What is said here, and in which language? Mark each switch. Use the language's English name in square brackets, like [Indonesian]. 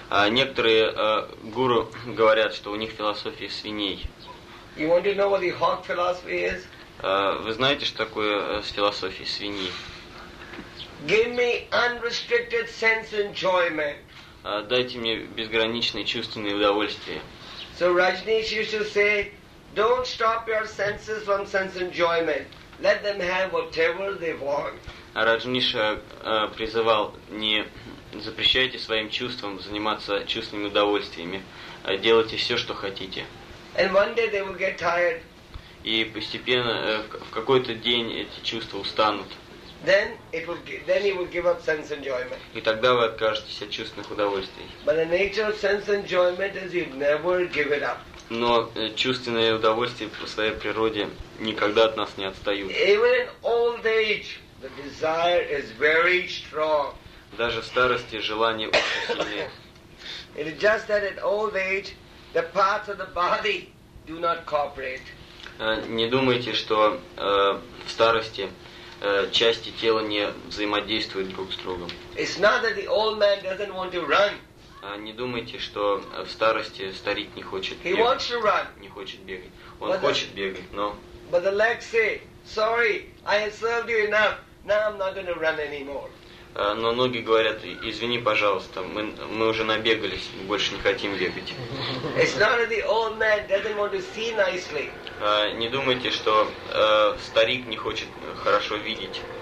[Russian] Некоторые гуру говорят, что у них философия свиней. [English] You want to know what the hog philosophy is? [Russian] Вы знаете, что такое философия свиней? [English] Give me unrestricted sense enjoyment. [Russian] Дайте мне безграничные чувственные удовольствия. [English] So Rajneesh used to say, don't stop your senses from sense enjoyment. Let them have whatever they want. [Russian] Раджниша призывал, не запрещайте своим чувствам заниматься чувственными удовольствиями. Делайте все, что хотите. [English] And one day they will get tired. [Russian] И постепенно, в какой-то день эти чувства устанут. [English] Then you will give up sense enjoyment. [Russian] И тогда вы откажетесь от чувственных удовольствий. [English] But the nature of sense enjoyment is you never give it up. [Russian] Но чувственные удовольствия по своей природе никогда от нас не отстают. [English] Even in old age, the desire is very strong. [Russian] Даже в старости желание очень сильное. [English] It is just that in old age, the parts of the body do not cooperate. [Russian] Не думайте, что в старости части тела не взаимодействуют друг с другом. [English] It's not that the old man doesn't want to run. [Russian] Не думайте, что в старости старик не хочет бегать. [English] He wants to run. [Russian] Не хочет бегать. Он хочет бегать, но... [English] But the legs say, sorry, I have served you enough. Now I'm not going to run anymore. [Russian] Но ноги говорят, извини, пожалуйста, мы уже набегались, мы больше не хотим бегать. [English] It's not that the old man doesn't want to see nicely. [Russian] Не думайте, что старик не хочет хорошо видеть.